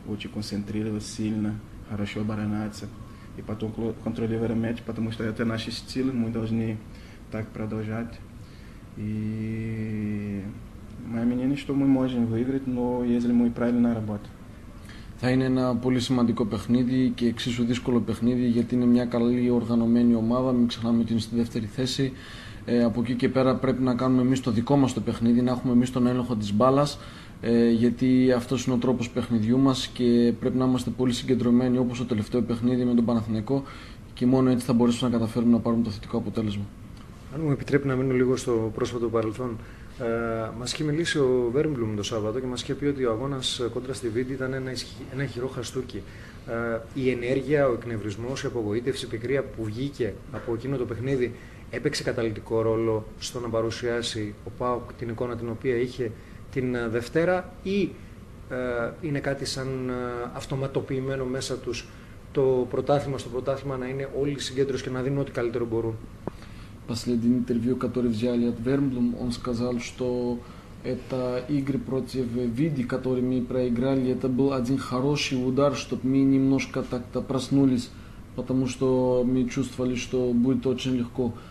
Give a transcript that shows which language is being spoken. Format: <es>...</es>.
<ru>Очень концентрироваться сильно, хорошо обороняться. И потом контролировать мяч, потому что это наши стили, мы должны так продолжать. И мое мнение, что мы можем выиграть, но если мы правильно работаем.</ru> <el>Θα είναι ένα πολύ σημαντικό παιχνίδι και εξίσου δύσκολο παιχνίδι, γιατί είναι μια καλή οργανωμένη ομάδα, μην ξεχνάμε ότι είναι στη δεύτερη θέση. Από εκεί και πέρα πρέπει να κάνουμε εμείς το δικό μας το παιχνίδι, να έχουμε εμείς τον έλεγχο της μπάλας, γιατί αυτός είναι ο τρόπος παιχνιδιού μας και πρέπει να είμαστε πολύ συγκεντρωμένοι όπως το τελευταίο παιχνίδι με τον Παναθηναϊκό, και μόνο έτσι θα μπορέσουμε να καταφέρουμε να πάρουμε το θετικό αποτέλεσμα. Αν μου επιτρέπει να μείνω λίγο στο πρόσφατο παρελθόν. Μας είχε μιλήσει ο Βέρμπλουμ το Σάββατο και μας είχε πει ότι ο αγώνας κόντρα στη Βίντη ήταν ένα ισχυρό χαστούκι. Η ενέργεια, ο εκνευρισμός, η απογοήτευση, η πικρία που βγήκε από εκείνο το παιχνίδι έπαιξε καταλυτικό ρόλο στο να παρουσιάσει ο ΠΑΟΚ την εικόνα την οποία είχε την Δευτέρα, ή είναι κάτι σαν αυτοματοποιημένο μέσα τους το πρωτάθλημα στο πρωτάθλημα να είναι όλοι συγκέντρωση και να δίνουν ό,τι καλύτερο μπορούν?</el> <ru>После интервью, которое взяли от Вермблум, он сказал, что это игры против Види, которые мы проиграли, это был один хороший удар, чтобы мы немножко так-то проснулись, потому что мы чувствовали, что будет очень легко.</ru>